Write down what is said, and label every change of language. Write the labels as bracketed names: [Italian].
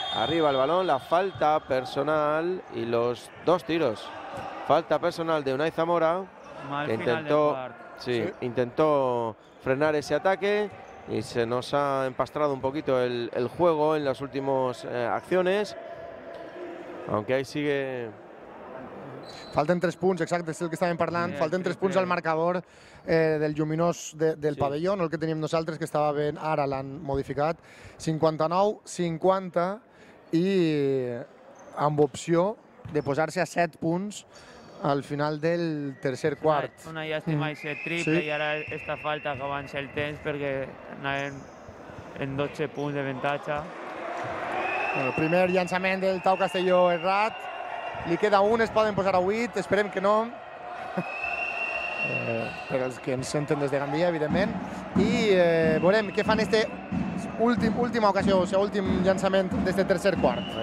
[Spanish] Arriba el balón, la falta personal y los dos tiros. Falta personal de Unai Zamora. Mal que intentó, final sí, sí, intentó frenar ese ataque. Y se nos ha empastrado un poquito el juego en las últimas acciones. Aunque ahí sigue. [Catalan] Falten 3 punts, exacte, és el que estàvem parlant. Falten 3 punts al marcador del lluminós del pavelló, no el que teníem nosaltres, que estava bé, ara l'han modificat. 59-50 i amb opció de posar-se a 7 punts al final del tercer quart. Una llàstima i ser triple, i ara està falta que avanci el temps perquè anàvem en 12 punts d'avantatge. El primer llançament del Tau Castelló errat. Li queda un, es poden posar a 8, esperem que no. Per als que ens senten des de Gandia, evidentment. I veurem què fan aquesta última ocasió, o sigui, últim llançament des del tercer quart.